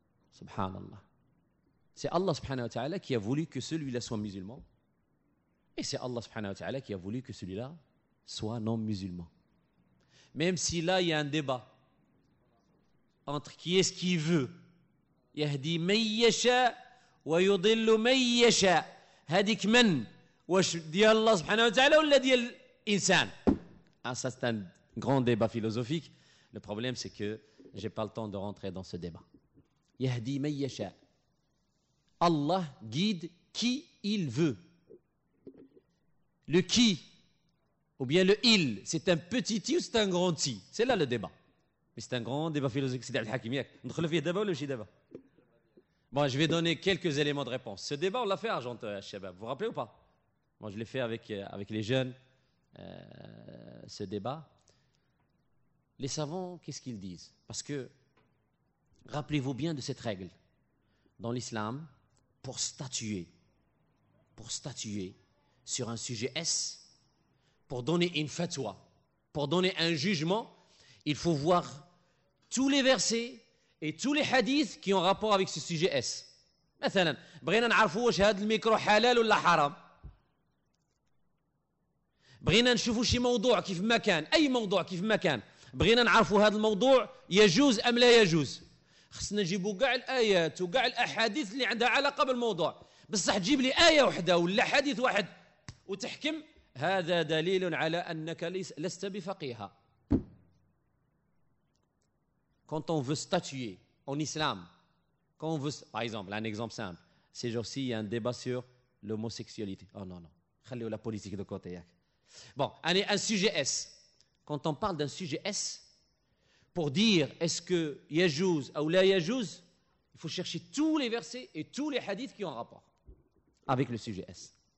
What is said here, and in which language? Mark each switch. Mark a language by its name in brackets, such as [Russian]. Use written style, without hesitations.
[French] Subhanallah. C'est Allah subhanahu wa ta'ala qui a voulu que celui-là soit musulman. Et c'est Allah subhanahu wa ta'ala qui a voulu que celui-là soit non musulman. Même si là il y a un débat entre qui est-ce qui veut. [Arabic] Yahdi man yasha ويضل من يشاء هذيك من واش ديال الله سبحانه وتعالى ولا ديال الانسان هذا سي ان [French] grand débat philosophique. Le problème c'est que j'ai pas le temps de rentrer dans ce débat. [Arabic] يهدي من يشاء, [French] Allah guide qui il veut. Le qui ou bien le il, c'est un petit i ou c'est un grand i? C'est là le débat, mais c'est un grand débat philosophique. [Arabic] C'est الحكيم ياك ندخل فيه دابا ولا ماشي دابا. [French] Bon, je vais donner quelques éléments de réponse. Ce débat, on l'a fait à Argenteuil, à Chebab. Vous vous rappelez ou pas? Moi, je l'ai fait avec les jeunes, ce débat. Les savants, qu'est-ce qu'ils disent? Parce que, rappelez-vous bien de cette règle. Dans l'islam, pour statuer sur un sujet S, pour donner une fatwa, pour donner un jugement, il faut voir tous les versets, et tous les hadiths qui ont rapport avec ce sujet S. [Arabic] مثلاً, بغينا نعرفوا واش هذا الميكرو حلال ولا حرام. بغينا نشوفوا شي موضوع كيف ما كان, اي موضوع كيف ما كان. بغينا نعرفوا هذا الموضوع يجوز ام لا يجوز. خصنا نجيبوا كاع الايات وكاع الاحاديث اللي عندها علاقه بالموضوع. بصح تجيب لي ايه وحده ولا حديث واحد وتحكم, هذا دليل على انك لست بفقيها. [French] Quand on veut statuer en islam, quand on veut, par exemple, un exemple simple, ces jours-ci, il y a un débat sur l'homosexualité. Oh non, non. Khalli la politique de côté. Bon, allez, un sujet S. Quand on parle d'un sujet S, pour dire est-ce que yajouz ou la yajouz, il faut chercher tous les versets et tous les hadiths qui ont rapport avec le sujet S.